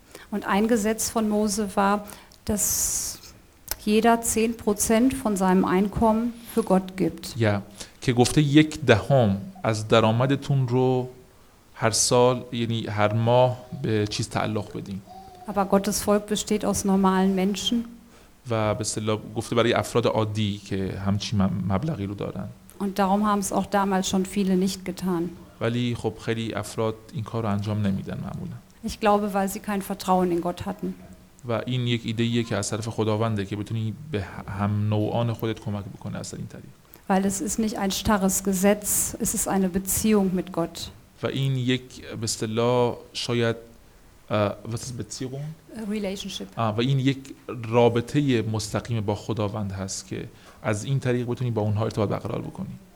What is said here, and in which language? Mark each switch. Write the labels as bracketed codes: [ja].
[de] Und ein Gesetz von Mose war, dass jeder 10% von seinem Einkommen für Gott gibt. [fa] Ja, که گفته یک دهم از درآمدتون رو هر سال یعنی هر ماه به چیز تعلق بدین. [de] Aber Gottes Volk besteht aus normalen Menschen. [fa] و به اصطلاح گفته برای افراد عادی که همچین مبلغی رو دارن. [de] Und darum haben es auch damals schon viele nicht getan. [fa] ولی خب خیلی افراد این کار رو انجام نمیدن معمولا. [de] Ich glaube, weil sie kein Vertrauen in Gott hatten. [fa] و این یک ایده ایه که از طرف خداونده که بتونی به هم نوعان خودت کمک بکنه از این طریق. [de] Weil es ist nicht ein starres Gesetz, es ist eine Beziehung mit Gott. [fa] و این یک به اصطلاح شاید Beziehung? [en] Relationship. [fa] و این یک رابطه مستقیم با خداوند هست که از این طریق بتونی با اونها ارتباط برقرار بکنی.